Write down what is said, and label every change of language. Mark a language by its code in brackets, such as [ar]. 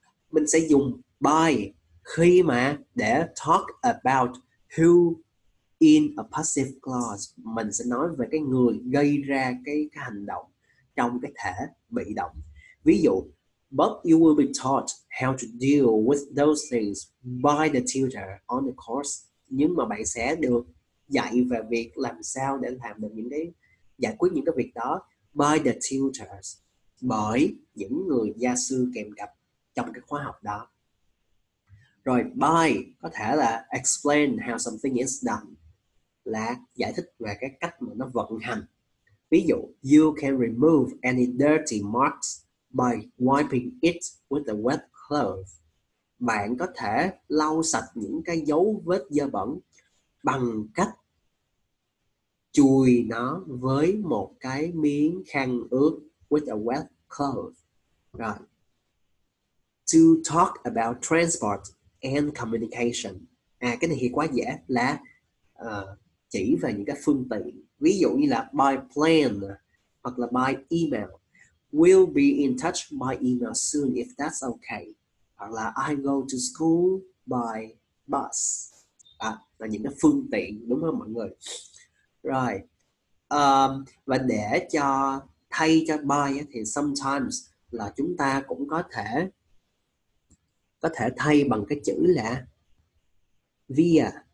[vi] Mình sẽ dùng [en] by [vi] khi mà để [en] talk about who in a passive clause. [vi] Mình sẽ nói về cái người gây ra cái hành động trong cái thể bị động. Ví dụ, [en] but you will be taught how to deal with those things by the tutor on the course. [vi] Nhưng mà bạn sẽ được dạy về việc làm sao để làm được những cái giải quyết những cái việc đó [en] by the tutors, [vi] bởi những người gia sư kèm cặp trong cái khóa học đó. Rồi by có thể là [en] explain how something is done, [vi] là giải thích về cái cách mà nó vận hành. Ví dụ, [en] you can remove any dirty marks by wiping it with a wet cloth. [vi] Bạn có thể lau sạch những cái dấu vết dơ bẩn bằng cách chùi nó với một cái miếng khăn ướt, [en] with a wet cloth. [vi] Rồi. [en] To talk about transport and communication. [vi] À, cái này thì quá dễ, là chỉ về những cái phương tiện. Ví dụ như là by plane hoặc là by email. [en] We'll be in touch by email soon if that's okay. [vi] Hoặc là [en] I go to school by bus. [vi] À, là những cái phương tiện, đúng không mọi người? Rồi. Và để cho thay cho by thì sometimes là chúng ta cũng có thể thay bằng cái chữ là via.